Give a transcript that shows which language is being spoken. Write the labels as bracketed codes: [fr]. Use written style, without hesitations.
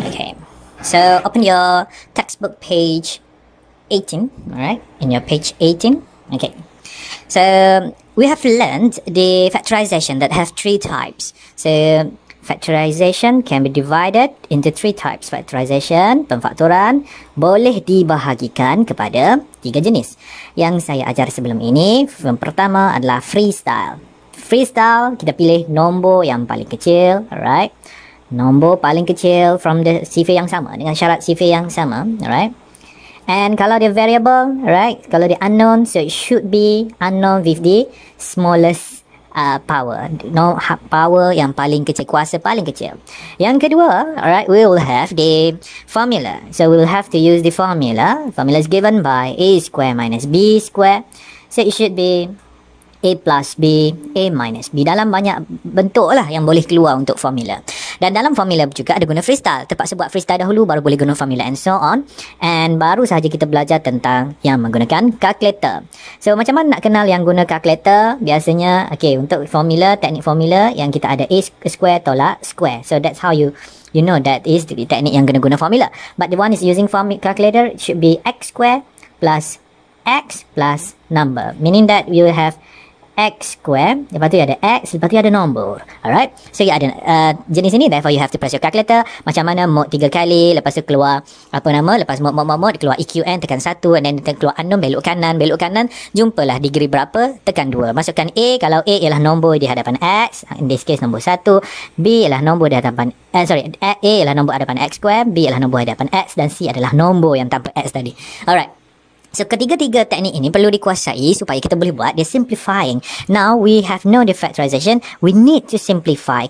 [en] Okay, so open your textbook page 18, all right, in your page 18. Okay, so we have learned the factorization that have three types. So factorization can be divided into three types. [ms] Factorization, pemfaktoran, boleh dibahagikan kepada tiga jenis. Yang saya ajar sebelum ini, yang pertama adalah freestyle. Freestyle, kita pilih nombor yang paling kecil, alright. Nombor paling kecil [en] from the [ms] CV yang sama, dengan syarat CV yang sama, alright. [en] And [ms] kalau dia [en] variable, alright, kalau dia unknown, so it should be unknown with the smallest power, no power [ms] yang paling kecil, kuasa paling kecil. Yang kedua, [en] alright, we will have the formula. So we will have to use the formula. Formula is given by a square minus b square. So it should be a plus b, a minus b. [ms] Dalam banyak bentuk lah yang boleh keluar untuk formula. Dan dalam formula juga ada guna freestyle. Terpaksa buat freestyle dahulu baru boleh guna formula [en] and so on. [ms] And baru sahaja kita belajar tentang yang menggunakan calculator. So macam mana nak kenal yang guna calculator? Biasanya, okay, untuk formula, teknik formula yang kita ada a square tolak square. [en] So that's how you know that is the [ms] teknik yang kena guna [en] formula. But the one is using calculator should be x square plus x plus number. Meaning that we will have x square, [ms] lepas tu ada x, lepas tu ada nombor. [en] Alright, so you [ms] ada jenis ini, [en] therefore you have to press your calculator. [ms] Macam mana mod 3 kali, lepas tu keluar apa nama, lepas mod, keluar EQN, tekan 1, [en] and then [ms] keluar unknown, belok kanan, jumpalah degree berapa, tekan 2, masukkan A. Kalau A ialah nombor di hadapan X, [en] in this case [ms] nombor 1, B ialah nombor di hadapan A ialah nombor di hadapan X square, B ialah nombor di hadapan X, dan C adalah nombor yang tanpa X tadi. Alright, so ketiga-tiga teknik ini perlu dikuasai supaya kita boleh buat dia simplifying. [en] Now we have know the factorization, we need to simplify.